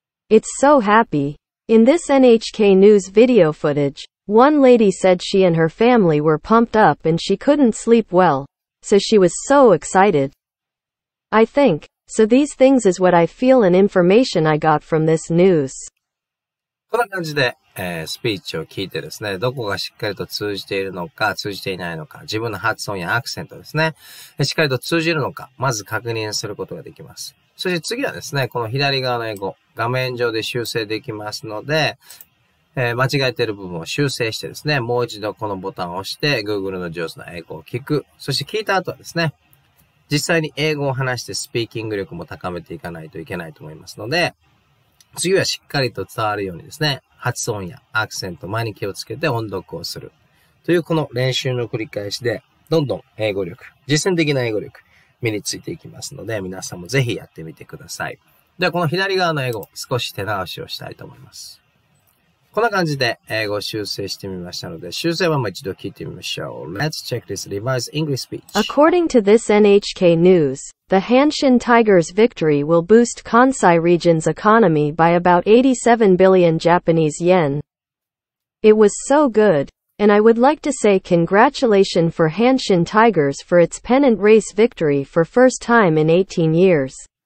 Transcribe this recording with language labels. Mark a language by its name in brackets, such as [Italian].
[English] It's so happy. In this NHK news video footage, one lady said she and her family were pumped up and she couldn't sleep well. So she was so excited. I think, so these things is what I feel and information I got from this news. [Japanese] こんな感じで、スピーチを聞いてですね、どこがしっかりと通じているのか、通じていないのか、自分の発音やアクセントですね、しっかりと通じるのか、まず確認することができます。そして次はですね、この左側の英語、画面上で修正できますので、間違えている部分を修正してですね、もう一度このボタンを押して、Google の上手な英語を聞く。そして聞いた後はですね、実際に英語を話してスピーキング力も高めていかないといけないと思いますので、次はしっかりと伝わるようにですね、発音やアクセント、前に気をつけて音読をする。というこの練習の繰り返しで、どんどん英語力、実践的な英語力、身についていきますので、皆さんもぜひやってみてください。ではこの左側の英語、少し手直しをしたいと思います。こんな感じで英語を修正してみましたので、修正はもう一度聞いてみましょう。 [English] Let's check this revised English speech. According to this NHK news, the Hanshin Tigers' victory will boost Kansai region's economy by about 87 billion Japanese yen. It was so good, and I would like to say congratulations for Hanshin Tigers for its pennant race victory for first time in 18 years.